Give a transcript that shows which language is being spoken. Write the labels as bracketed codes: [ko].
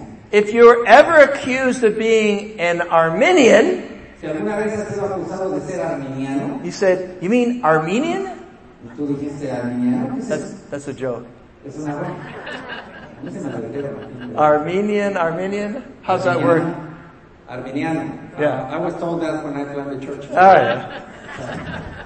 [en] If you're ever accused of being an Arminian, [es] Si alguna vez has sido acusado de ser arminiano. [en] He said, you mean Armenian? [es] Tú dijiste arminiano. [en] That's a joke. [es] Es una broma. [en] Armenian, how's that word? Armenian. Yeah. I was told that when I joined the church. Oh, yeah.